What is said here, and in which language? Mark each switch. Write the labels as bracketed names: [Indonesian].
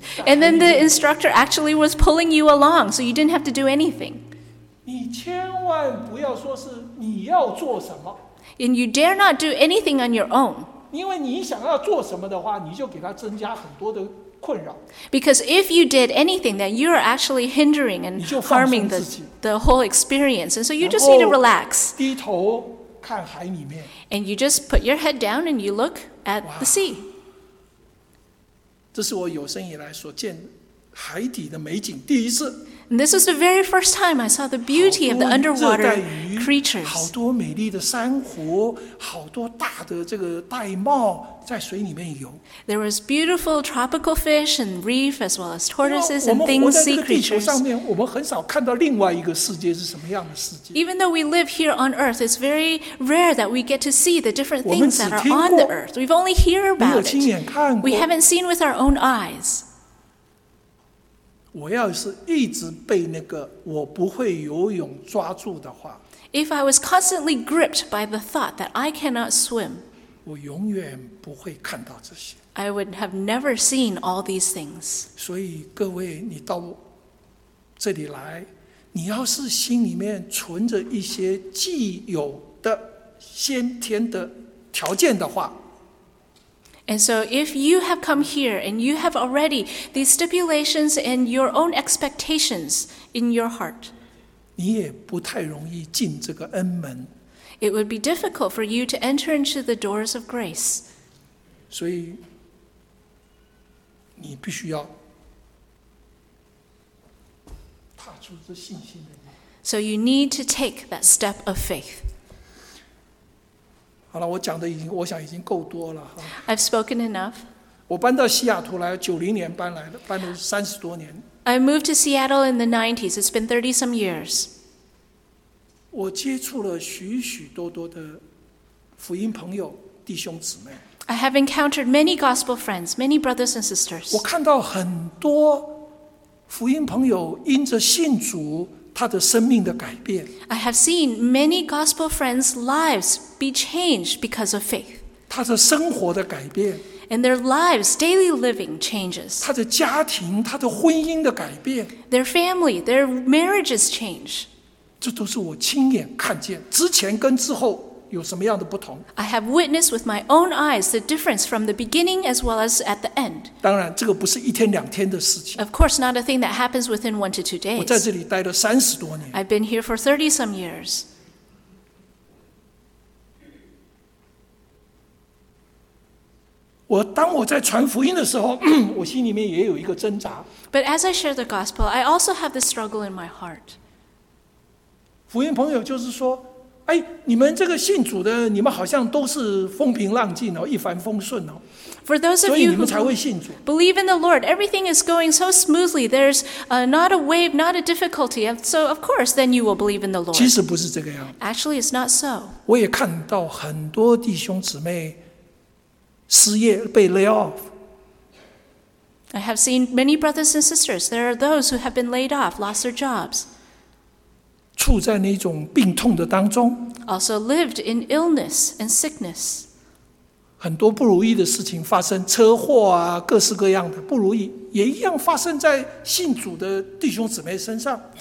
[English] And then the instructor actually was pulling you along, so you didn't have to do anything. [Chinese] 你千万不要说是你要做什么。 [English] And you dare not do anything on your own. [Chinese] 因为你想要做什么的话，你就给他增加很多的。 [English] Because if you did anything, then you are actually hindering and harming the whole experience. And so you just need to relax. [Chinese] 低头看海里面。 [English] And you just put your head down and you look at the sea. [Chinese] 这是我有生以来所见海底的美景第一次。 [English] And this was the very first time I saw the beauty of the underwater creatures. [Chinese] 好多美丽的珊瑚，好多大的这个玳瑁在水里面游。 [English] There was beautiful tropical fish and reef as well as tortoises and things sea creatures. [Chinese] 上面我们很少看到另外一个世界是什么样的世界。 [English] Even though we live here on Earth, it's very rare that we get to see the different things that are on the Earth. We've only hear about it. [Chinese] 没有亲眼看过。 [English] We haven't seen with our own eyes. [Chinese] 我要是一直被那个我不会游泳抓住的话， [English] If I was constantly gripped by the thought that I cannot swim, [Chinese] 我永远不会看到这些。 [English] I would have never seen all these things. [Chinese] 所以各位，你到这里来，你要是心里面存着一些既有的先天的条件的话。 [English] And so if you have come here and you have already these stipulations and your own expectations in your heart, [Chinese] 你也不太容易进这个恩门。 [English] It would be difficult for you to enter into the doors of grace. [Chinese] 所以你必须要踏出这信心的。 [English] So you need to take that step of faith. [Chinese] 好了，我讲的已经，我想已经够多了。 [English] I've spoken enough. [Chinese] 我搬到西雅图来，90年搬来的，搬了30多年。 [English] I moved to Seattle in the 90s. It's been 30 some years. [Chinese] 我接触了许许多多的福音朋友、弟兄姊妹。 [English] I have encountered many gospel friends, many brothers and sisters. [Chinese] 我看到很多福音朋友因着信主。他的生命的改变。 [English] I have seen many gospel friends' lives be changed because of faith. [Chinese] 他的生活的改变。 [English] And their lives, daily living changes. [Chinese] 他的家庭，他的婚姻的改变。 [English] Their family, their marriages change. [Chinese] 这都是我亲眼看见，之前跟之后有什么样的不同。 [English] I have witnessed with my own eyes the difference from the beginning as well as at the end. [Chinese] 当然，这个不是一天两天的事情。 [English] Of course, not a thing that happens within 1 to 2 days. [Chinese] 我在这里待了30多年。 [English] I've been here for 30 some years. [Chinese] 我当我在传福音的时候，我心里面也有一个挣扎。 [English] But as I share the gospel, I also have this struggle in my heart. [Chinese] 福音朋友就是说。哎，你们这个信主的，你们好像都是风平浪静哦，一帆风顺哦。 [English] For those of you who believe in the Lord, everything is going so smoothly. There's not a wave, not a difficulty. So of course, then you will believe in the Lord. [Chinese] 其实不是这个样。 [English] Actually, it's not so. [Chinese] 我也看到很多弟兄姊妹失业被 lay off. [English] I have seen many brothers and sisters. There are those who have been laid off, lost their jobs. [Chinese] 处在那种病痛的当中 [English] also lived in illness and sickness. [Chinese] 很多不如意的事情发生，车祸啊，各式各样的不如意，也一样发生在信主的弟兄姊妹身上。